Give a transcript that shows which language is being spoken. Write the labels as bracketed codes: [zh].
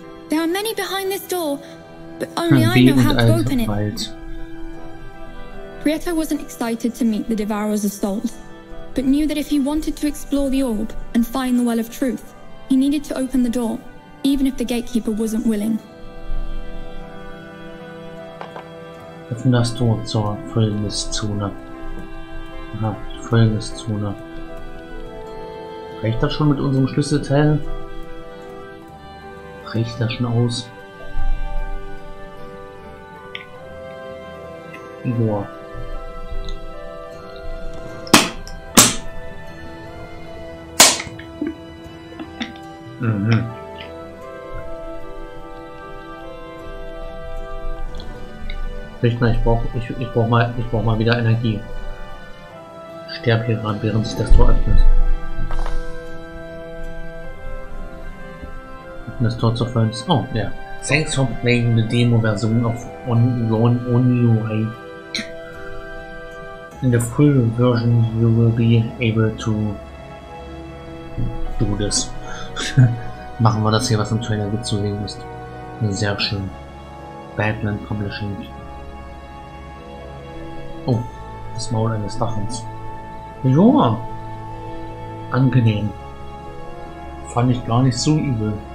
[en] There are many behind this door, but only I know how to open it. Prieto wasn't excited to meet the devourers of souls, but knew that if he wanted to explore the orb and find the well of truth, he needed to open the door, even if the gatekeeper wasn't willing. [de] Öffne das Tor zur Fülle des Zone. Aha, Gefängniszone. Reicht das schon mit unserem Schlüsselteil? Reicht das schon aus? Boah. Ich brauche mal wieder Energie. Sterb hier gerade, während sich das Tor öffnet. Das Tor zu fallen ist. Oh, ja. [en] Thanks for playing the Demo-Version of Onirike. In the full version you will be able to do this. [de] Machen wir das hier, was im Trailer gut zu sehen ist. Sehr schön. Batman Publishing. Oh, das Maul eines Dachens. Joa! Angenehm. Fand ich gar nicht so übel.